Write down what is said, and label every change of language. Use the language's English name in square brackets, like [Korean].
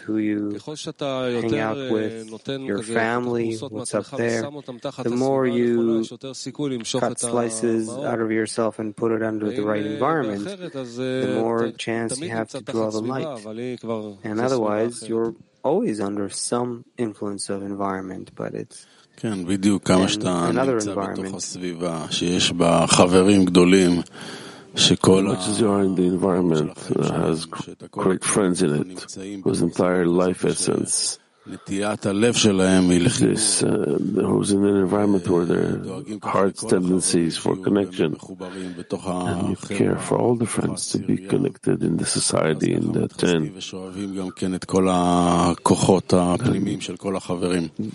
[English] Who you hang out with? Your family? What's up there? The more you cut slices out of yourself and put it under the right environment, the more chance you have to draw the light. And otherwise, you're always under some influence of environment, but it's [Hebrew] כן, בדיוק, כמה שאתה נמצא בתוך הסביבה, שיש בה חברים גדולים, שכל [English] much as you are in the environment, has great friends in it, whose entire life essence, [Hebrew] נטיית הלב שלהם היא לחיבור. [English] Who's in an environment where their heart's tendencies for connection, and you care for all the friends to be connected in the society, in the ten. [Hebrew] ושואבים גם כן את כל הכוחות הפנימיים של כל החברים.